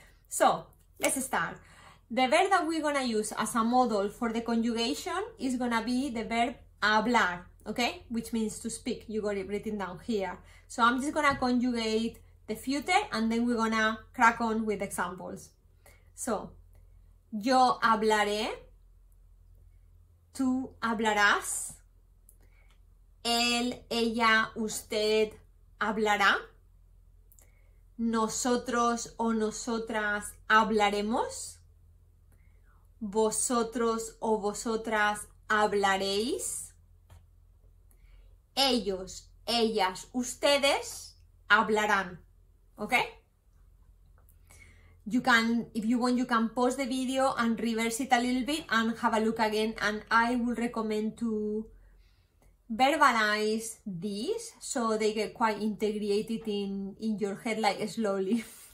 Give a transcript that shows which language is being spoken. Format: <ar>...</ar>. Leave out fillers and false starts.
<en>So, let's start. The verb that we're gonna use as a model for the conjugation is gonna be the verb hablar, okay? Which means to speak, you got it written down here. So I'm just gonna conjugate the future and then we're gonna crack on with examples.</en> <es>So, yo hablaré, tú hablarás, él, ella, usted hablará, nosotros o nosotras hablaremos, vosotros o vosotras hablaréis, ellos, ellas, ustedes hablarán, ¿ok?</es> <en>You can, if you want, you can pause the video and reverse it a little bit and have a look again, and I will recommend to verbalize these so they get quite integrated in your head, like slowly.</en>